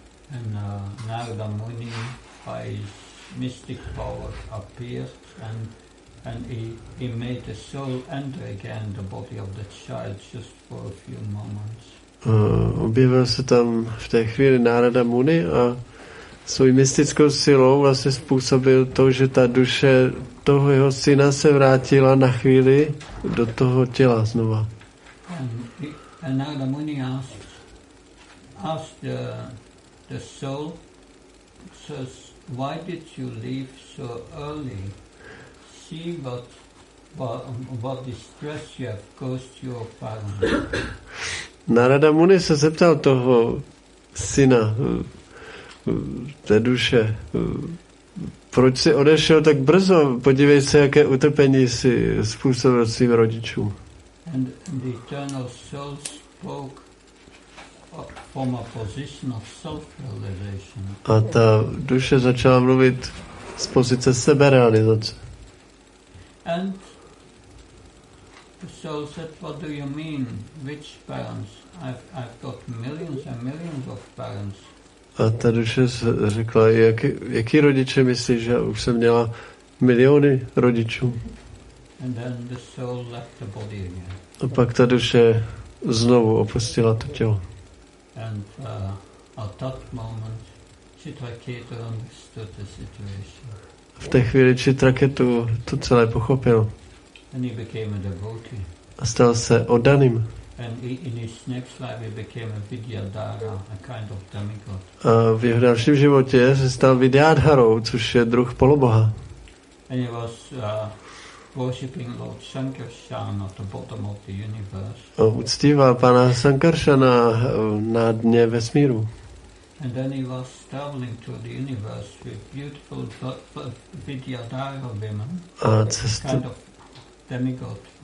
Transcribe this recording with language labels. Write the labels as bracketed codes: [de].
[en] And Narada Muni by his mystic power appeared and And he made the soul enter again the body of the child just for a few moments. [cs] Objevil se tam v té chvíli Narada Muni a svou mystickou silou vlastně způsobil to, že ta duše toho jeho syna se vrátila na chvíli do toho těla znova. [en] And Narada Muni asked the soul, says, why did you leave so early? See what distress you have caused your family. [cs] Narada Muni se zeptal toho syna, té duše, proč jsi odešel tak brzo, podívej se, jaké utrpení jsi způsobil svým rodičům. [en] And the eternal soul spoke from a position of self-realization. [cs] A ta duše začala mluvit z pozice seberealizace. [en] And the soul said, what do you mean, which parents? I've got millions and millions of parents. [cs] A ta duše řekla, jaký rodiče myslíš, že už jsem měla miliony rodičů. [en] And then the soul left the body again. [cs] A pak ta duše znovu opustila to tělo. [en] And at that moment, Chitraketu understood the situation. [cs] V té chvíli Chitraketu to celé pochopil. [en] And he became a devotee. [cs] A stal se oddaným. [en] And in his next life he became a Vidyadhara, a kind of demigod. [cs] A v jeho dalším životě se stal Vidyadharou, což je druh poloboha. [en] And he was worshipping Lord Shankarshan at the bottom of the universe. [cs] A uctíval pana Shankarshana na dně vesmíru. [en] And then he was traveling to the universe with beautiful Vidyadhara women, kind of demigod.